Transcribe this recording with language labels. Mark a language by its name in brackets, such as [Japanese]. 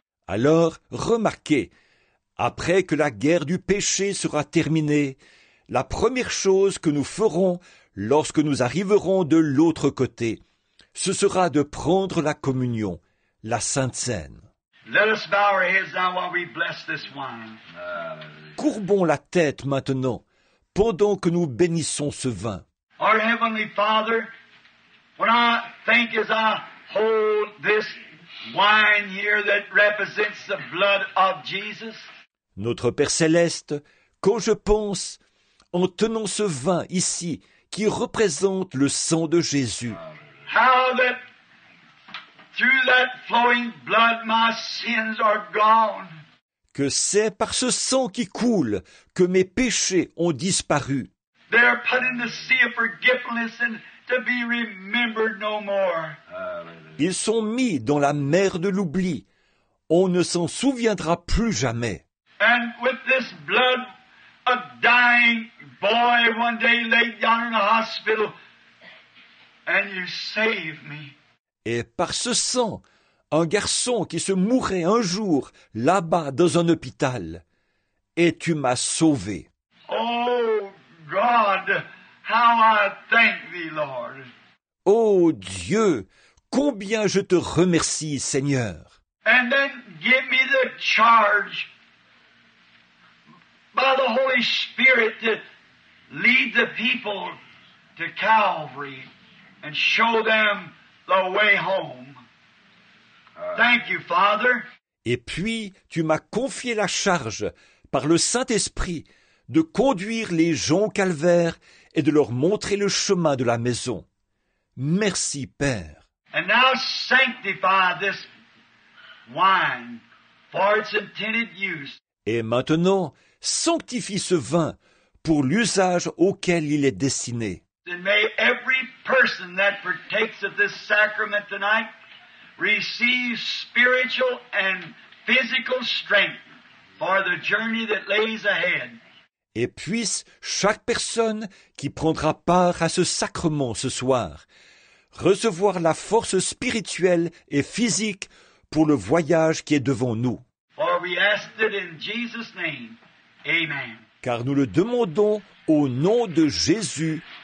[French] Alors, remarquez, après que la guerre du péché sera terminée, la première chose que nous ferons lorsque nous arriverons de l'autre côté, ce sera de prendre la communion, la Sainte Cène. [English] Let us bow our heads now while we bless this wine. [French] Courbons la tête maintenant, pendant que nous bénissons ce vin. [English] Our Heavenly Father, when I think as I hold this wine here that represents the blood of Jesus. [French] Notre Père Céleste, quand je pense en tenant ce vin ici qui représente le sang de Jésus. [English] How that through that flowing blood my sins are gone. [French] Que c'est par ce sang qui coule que mes péchés ont disparu. [English] They are put in the sea of forgiveness and to be remembered no more. [French] Ils sont mis dans la mer de l'oubli. On ne s'en souviendra plus jamais. [English] And with this blood, a dying boy one day laid down in the hospital, and you saved me. [French] Et par ce sang, un garçon qui se mourrait un jour là-bas dans un hôpital, et tu m'as sauvé. [English] Oh, God, how I thank thee, Lord. [French] Oh, Dieu, combien je te remercie, Seigneur. [English] And then give me the charge by the Holy Spirit to lead the people to Calvary and show them the way home. Thank you, Father. [French] Et puis, tu m'as confié la charge par le Saint-Esprit de conduire les gens au calvaire et de leur montrer le chemin de la maison. Merci, Père. [English] And now sanctify this wine for its intended use. [French] Et maintenant, sanctifie ce vin pour l'usage auquel il est destiné. [English] And may every person that partakes of this sacrament tonight receive spiritual and physical strength for the journey that lays ahead. [French] Et puisse chaque personne qui prendra part à ce sacrement ce soir recevoir la force spirituelle et physique pour le voyage qui est devant nous. [English] For we ask it in Jesus' name. Amen. [French] Car nous le demandons au nom de Jésus.